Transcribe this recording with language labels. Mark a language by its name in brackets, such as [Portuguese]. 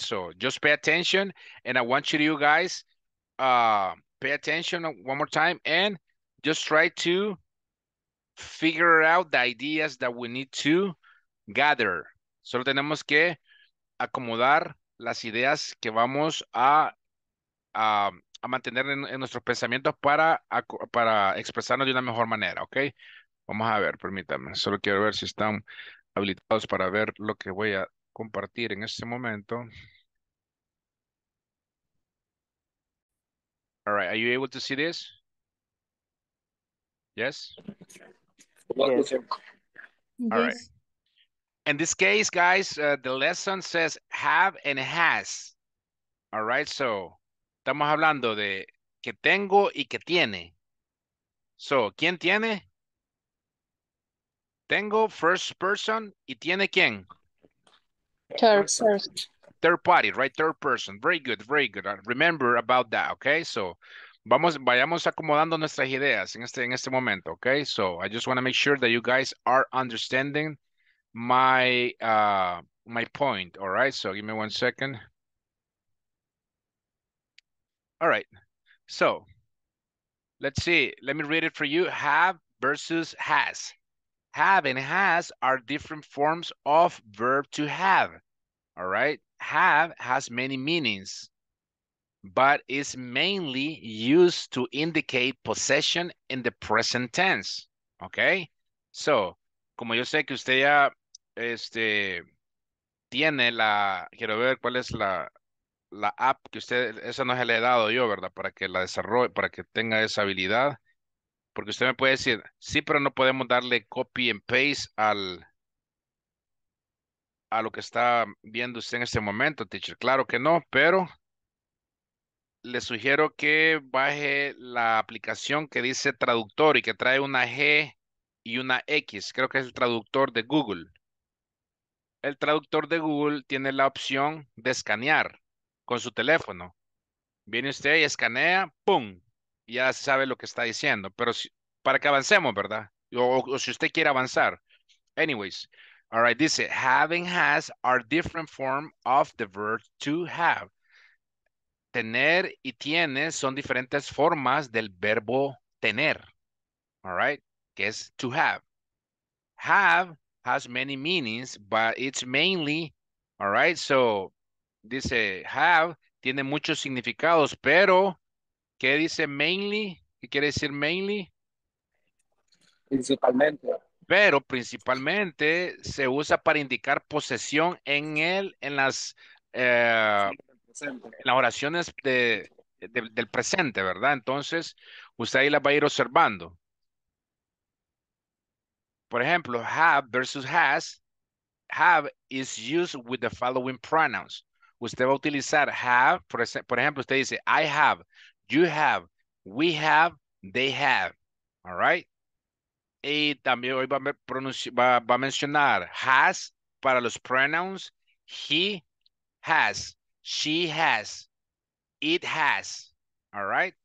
[English] So just pay attention, and I want you guys pay attention one more time and just try to figure out the ideas that we need to gather. [Spanish] Solo tenemos que acomodar las ideas que vamos a mantener en nuestros pensamientos para expresarnos de una mejor manera, ¿ok? Vamos a ver, permítanme. Solo quiero ver si están habilitados para ver lo que voy a compartir en este momento. [English] All right, are you able to see this? Yes? Yes. All right. In this case, guys, the lesson says have and has. All right, so [Spanish] estamos hablando de que tengo y que tiene. So, ¿quién tiene? Tengo, [English] first person, [Spanish] y tiene quién? [English] Third person. third party, right? Third person. Very good, very good. Remember about that, okay? [Spanish] So, vayamos acomodando nuestras ideas en este momento, okay? [English] So, I just want to make sure that you guys are understanding my point, all right? So, give me 1 second. All right. So, let's see. Let me read it for you. Have versus has. Have and has are different forms of verb to have, all right? Have has many meanings, but is mainly used to indicate possession in the present tense, okay? [Spanish] So, como yo sé que usted ya tiene la, quiero ver cuál es la app que usted, esa no se le he dado yo, ¿verdad? Para que la desarrolle, para que tenga esa habilidad. Porque usted me puede decir, sí, pero no podemos darle copy and paste a lo que está viendo usted en este momento, teacher. Claro que no, pero le sugiero que baje la aplicación que dice traductor y que trae una G y una X. Creo que es el traductor de Google. El traductor de Google tiene la opción de escanear con su teléfono. Viene usted y escanea, ¡pum! Ya sabe lo que está diciendo, pero si, para que avancemos, ¿verdad? O si usted quiere avanzar. [English] Anyways, all right, dice, have and has are different form of the verb to have. [Spanish] Tener y tiene son diferentes formas del verbo tener, [English] all right, [Spanish] que es to have. [English] Have has many meanings, but it's mainly, all right, so, dice, [Spanish] have tiene muchos significados, pero... ¿Qué dice mainly? ¿Qué quiere decir mainly? Principalmente. Pero principalmente se usa para indicar posesión en él, en las en las oraciones del presente, ¿verdad? Entonces, usted ahí las va a ir observando. Por ejemplo, [English] have versus has. Have is used with the following pronouns. [Spanish] Usted va a utilizar have, por ejemplo, usted dice, [English] I have. You have, we have, they have, all right? [Spanish] Y también hoy va a mencionar has para los pronouns, [English] he has, she has, it has, all right?